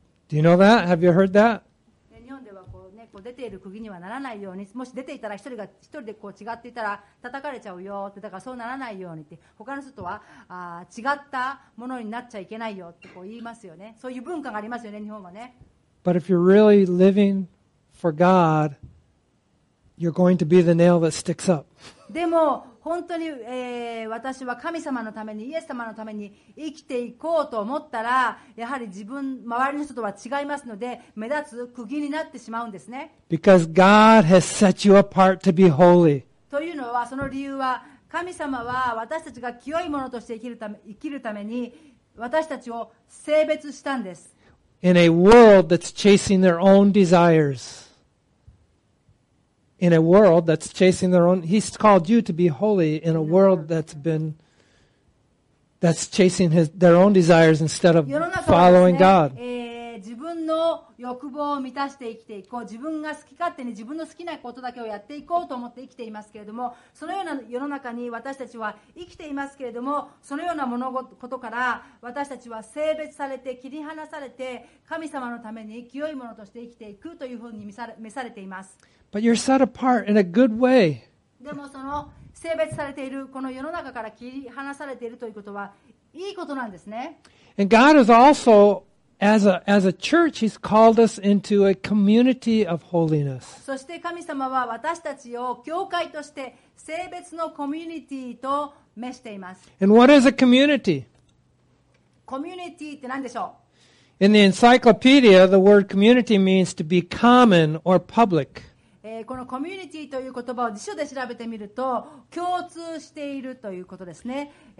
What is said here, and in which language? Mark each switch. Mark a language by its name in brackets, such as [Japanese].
[English] Do you know that? Have you heard that? [Japanese] 日本ではこうね、こう出ている釘にはならないように、もし出ていたら一人でこう違っていたら叩かれちゃうよって、だからそうならないようにって、他の人とは違ったものになっちゃいけないよってこう言いますよね。そういう文化がありますよね、日本はね。 [English] But if you're really living for God, you're going to be the nail that sticks up. [Japanese] でも本当に、私は神様のためにイエス様のために生きていこうと思ったらやはり自分周りの人とは違いますので目立つ釘になってしまうんですね。 [English] Because God has set you apart to be holy. [Japanese] というのはその理由は神様は私たちが清いものとして生きるために私たちを性別したんです。 [English] In a world that's chasing their own desires. In a world that's chasing their own, He's called you to be holy in a world that's chasing their own desires instead of following God. [Japanese] 自分の欲望を満たして生きていこう、自分が好き勝手に自分の好きなことだけをやっていこうと思って生きていますけれども、そのような世の中に私たちは生きていますけれども、そのような物事から私たちは性別されて切り離されて神様のために清いものとして生きていくというふうに召されています。 [English] But you're set apart in a good way. [Japanese] でもその性別されているこの世の中から切り離されているということはいいことなんですね。 [English] And God has also, as a church, He's called us into a community of holiness. [Japanese] そして神様は私たちを教会として性別のコミュニティと召しています。 [English] And what is a community? [Japanese] コミュニティって何でしょう? [English] In the encyclopedia, the word community means to be common or public. [Japanese] このコミュニティという言葉を辞書で調べてみると共通しているということですね、